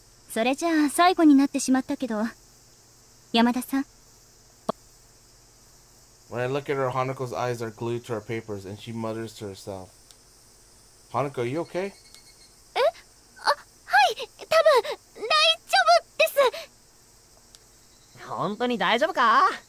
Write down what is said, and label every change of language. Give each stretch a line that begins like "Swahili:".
Japanese: それじゃあ最後になってしまったけど。山田さん?
English: When I look at her, Hanako's eyes are glued to her papers, and she mutters to herself. Hanako, are you okay?
Japanese: え?あ、はい、多分、大丈夫です。本当に大丈夫か?